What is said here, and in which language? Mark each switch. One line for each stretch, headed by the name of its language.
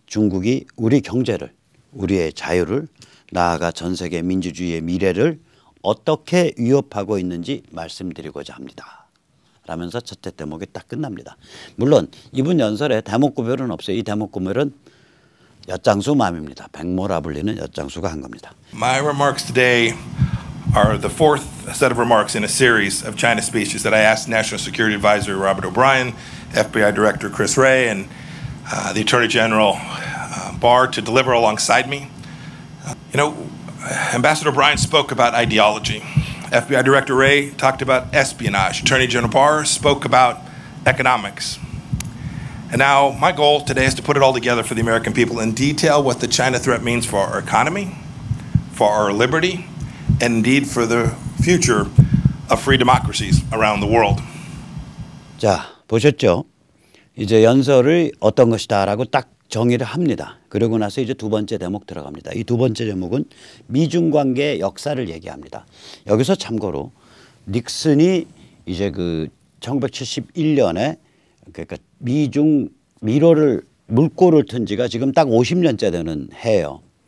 Korean: 중국이 우리 경제를, 우리의 자유를, 나아가 전 세계 민주주의의 미래를 어떻게 위협하고 있는지 말씀드리고자 합니다. 라면서 첫째 대목이 딱 끝납니다. 물론 이분 연설에 대목구별은 없어요. 이 대목구별은 엿장수맘입니다. 백모라 불리는 엿장수가 한 겁니다.
English: My remarks today are the fourth set of remarks in a series of China speeches that I asked National Security Advisor Robert O'Brien, FBI Director Chris Wray, and the Attorney General Barr to deliver alongside me. You know, Ambassador O'Brien spoke about ideology. FBI Director Wray talked about espionage. Attorney General Barr spoke about economics. And now my goal today is to put it all together for the American people in detail what the China threat means for our economy, for our liberty, and indeed for the future of free democracies around the world.
Korean: 자, 보셨죠? 이제 연설이 어떤 것이다라고 딱 정의를 합니다. 그러고 나서 이제 두 번째 대목 들어갑니다. 이 두 번째 대목은 미중 관계의 역사를 얘기합니다. 여기서 참고로 닉슨이 이제 그 1971년에 그러니까 미중 미로를 물꼬를 튼 지가 지금 딱 50년째 되는 해예요.